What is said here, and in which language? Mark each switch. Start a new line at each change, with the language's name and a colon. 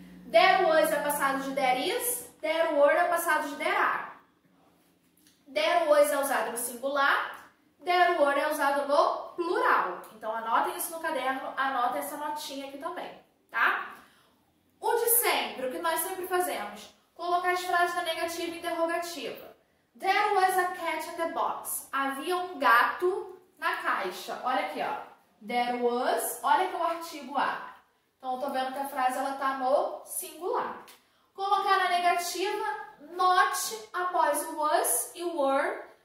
English: There was
Portuguese: é passado de
English: there is, there were é passado de there are. There was
Portuguese: é usado no singular,
English: there were
Portuguese: é usado no plural. Então, anotem isso no caderno, anotem essa notinha aqui também, tá? O de sempre, o que nós sempre fazemos, colocar as frases na negativa e interrogativa.
English: There was a cat in the box.
Portuguese: Havia um gato na caixa. Olha aqui, ó.
English: There was,
Portuguese: olha aqui o artigo a. Então, eu tô vendo que a frase, ela tá no singular. Colocar na negativa, not após o was e were.